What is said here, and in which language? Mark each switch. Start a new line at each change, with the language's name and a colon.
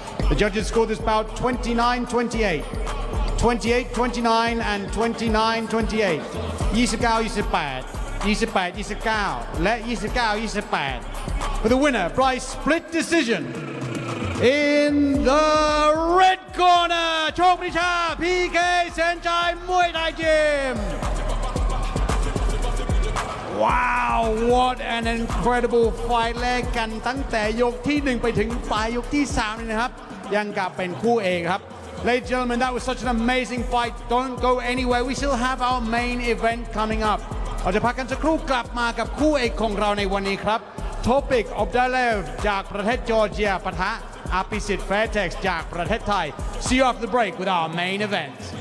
English: The judges scored this bout 29-28, 28-29, and 29-28. 29-28. For the winner, by split decision, in the red corner, Chokricha PK Sentai Muay Thai Gym. Wow, what an incredible fight
Thai: แรก กัน ตั้งแต่ ยก ที่ 1 ไป ถึง ปลาย ยก ที่ 3 นี่ นะ ครับ ยัง กลับ เป็น คู่ เอก ครับ
English: Ladies and gentlemen, that was such an amazing fight. Don't go anywhere. We still have our main event coming up.
Thai: จะ พา กัน สัก ครู่ กลับ มา กับ คู่ เอก ของ เรา ใน วัน นี้ ครับ Topic of the Lev จาก ประเทศ จอร์เจีย ปะทะ อภิสิทธิ์ Fairtex จาก ประเทศ ไทย
English: See you after the break with our main event.